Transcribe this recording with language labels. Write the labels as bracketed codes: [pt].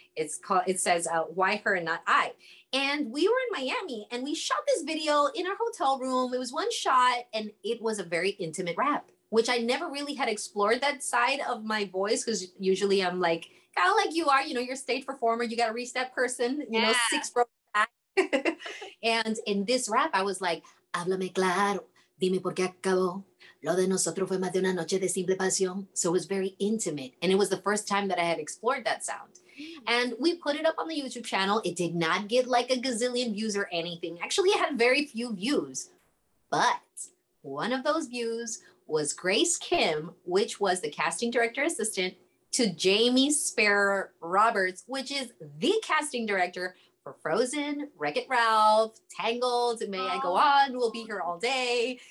[en] It says Why Her and Not I. And we were in Miami and we shot this video in our hotel room. It was one shot and it was a very intimate rap, which I never really had explored that side of my voice, because usually I'm like, kind of like you are, you know, you're a stage performer, you got a reach that person, you know, six rows back. And in this rap, I was like, [es] háblame claro, dime por qué acabó, lo de nosotros fue más de una noche de simple pasión. [en] So it was very intimate. And it was the first time that I had explored that sound. And we put it up on the YouTube channel. It did not get like a gazillion views or anything. Actually, it had very few views, but one of those views was Grace Kim, which was the casting director assistant to Jamie Sparrow Roberts, which is the casting director for Frozen, Wreck-It Ralph, Tangled, May I Go On, We'll Be Here All Day.